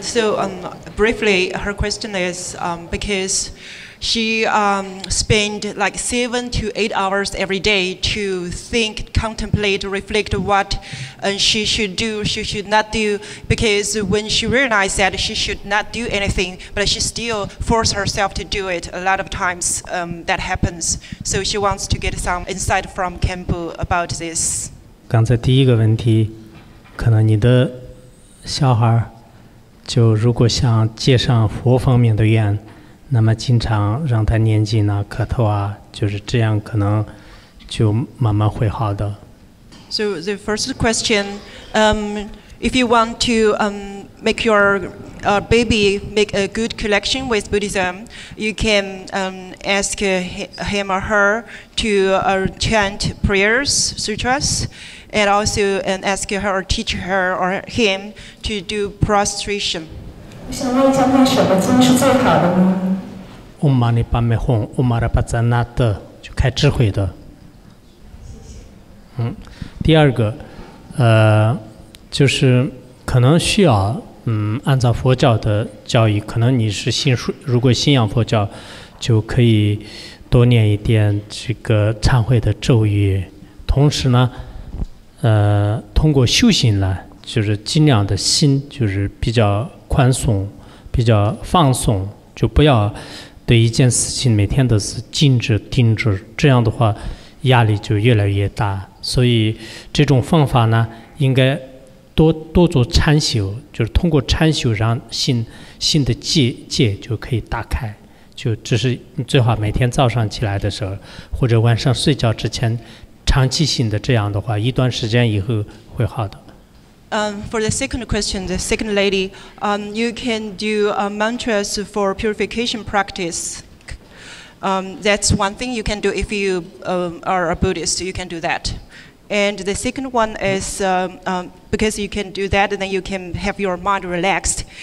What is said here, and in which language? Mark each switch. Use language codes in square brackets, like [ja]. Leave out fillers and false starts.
[en] So briefly, her question is because she spend like 7 to 8 hours every day to think, contemplate, reflect what she should do, she should not do, because when she realized that she should not do anything, but she still force herself to do it, a lot of times that happens. So she wants to get some insight from Kenpo about this. [zh] 刚才第一个问题，可能你的小孩就如果想接上佛方面的愿，那么经常让他念经啊、磕头啊，就是这样，可能就慢慢会好的。 [en] So the first question, if you want to make your baby make a good connection with Buddhism, you can ask him or her to chant prayers, sutras, and also ask her or teach her or him to do prostration. [zh] 我想问一下，念什么经是最好的呢？ [sa] Om Mani Padme Hum, Om Mara Padzanata, [zh] 就开智慧的。第二个，就是可能需要，按照佛教的教义，可能你是如果信仰佛教，就可以多念一点这个忏悔的咒语，同时呢，通过修行呢，就是尽量的心就是比较宽松，比较放松，就不要。对一件事情每天都是静止定止，这样的话压力就越来越大，所以这种方法呢应该多做禅修，就是通过禅修让心的戒就可以打开，就只是最好每天早上起来的时候或者晚上睡觉之前长期性的，这样的话一段时间以后会好的。 [en] For the second question, the second lady, you can do mantras for purification practice. That's one thing you can do if you are a Buddhist, you can do that. And the second one is, because you can do that, then you can have your mind relaxed.